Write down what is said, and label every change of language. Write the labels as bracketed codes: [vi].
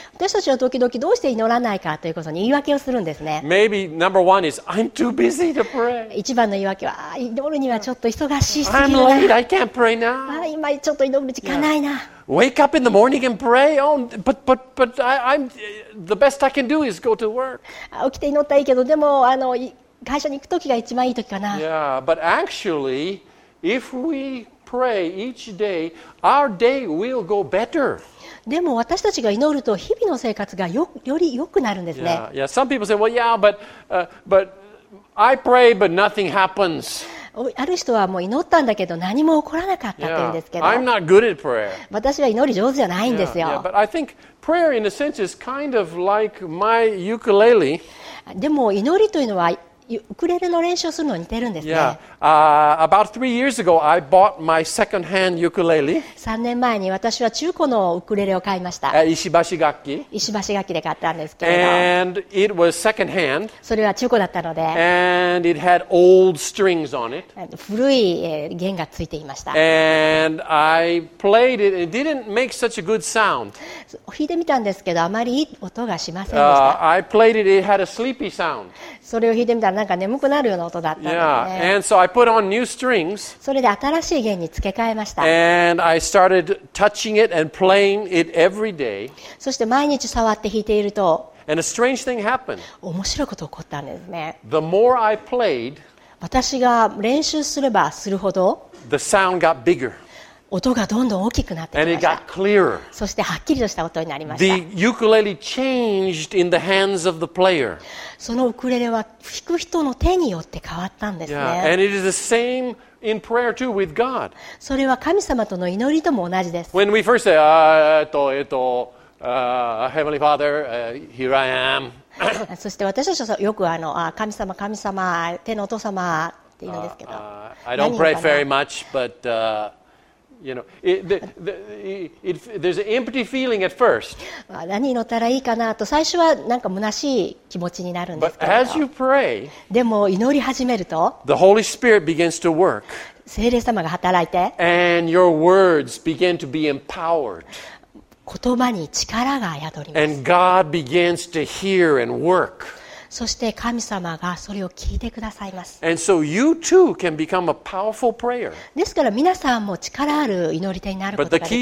[ja] 私たちは時々どうして祈らないかということに言い訳をするんですね。 [en] Maybe number one is I'm too busy to pray. [ja] 一番の言い訳は祈るにはちょっと忙しすぎる。 [en] I'm late. I can't pray now. [ja] 今ちょっと祈る時間ないな。 [en] Yeah. Wake up in the morning and pray. Oh, but I'm the best I can do is go to work. [ja] 起きて祈ったらいいけどでも会社に行く時が一番いい時かな。 [en] Yeah, but actually, if we pray each day, our day will go better. [ja] でも私たちが祈ると日々の生活がより良くなるんですね。 [en] Yeah, yeah. Some people say, well, yeah, but I pray, but nothing happens. [ja] ある人はもう祈ったんだけど何も起こらなかったって言うんですけど、 [en] yeah. I'm not good at prayer. [ja] 私は祈り上手じゃないんですよ。 [en] Yeah. Yeah. But I think prayer in a sense is kind of like my ukulele. [ja] でも祈りというのはウクレレの練習をするのに似てるんですね。 [en] Yeah. About 3 years ago, I bought my second-hand ukulele. [ja] 3年前に私は中古のウクレレを買いました。石橋楽器。石橋楽器で買ったんですけど。 [en] And it was second-hand. [ja] それは中古だったので。 [en] And it had old strings on it. [ja] 古い弦がついていました。 [en] And I played it. It didn't make such a good sound. [ja] 弾いてみたんですけど、あまりいい音がしませんでした。 [en] I played it. It had a sleepy sound. [ja] それを弾いてみたらなんか眠くなるような音だったんですね。 [en] Yeah. So、 [ja] それで新しい弦に付け替えました。 [en] And I started touching it and playing it every day. [ja] そして毎日触って弾いていると、 [en] And a strange thing happened. [ja] 面白いこと起こったんですね。 [en] The more I played, [ja] 私が練習すればするほど、 [en] The sound got bigger. [ja] 音がどんどん大きくなってきました。 [en] And it got clearer. [ja] そしてはっきりとした音になりました。 [en] The ukulele changed in the hands of the player. [ja] そのウクレレは弾く人の手によって変わったんですね。 [en] Yeah. And it is the same in prayer too with God. [ja] それは神様との祈りとも同じです。 [en] When we first say, Heavenly Father, here I am. [ja] そして私たちはよく神様、神様、天のお父様って言うんですけど。 [en] I don't pray very much, but, you know, there's an empty feeling at first. [ja] 何祈ったらいいかなと最初はなんか虚しい気持ちになるんですけど。 [en] But as you pray, [ja] でも祈り始めると、 [en] the Holy Spirit begins to work. [ja] 聖霊様が働いて、 [en] and your words begin to be empowered. [ja] 言葉に力が宿ります。 [en] And God begins to hear and work. [ja] そして神様がそれを聞いてくださいます。 [en] And so you too can become a powerful prayer. [ja] ですから皆さんも力ある祈り手になることができます。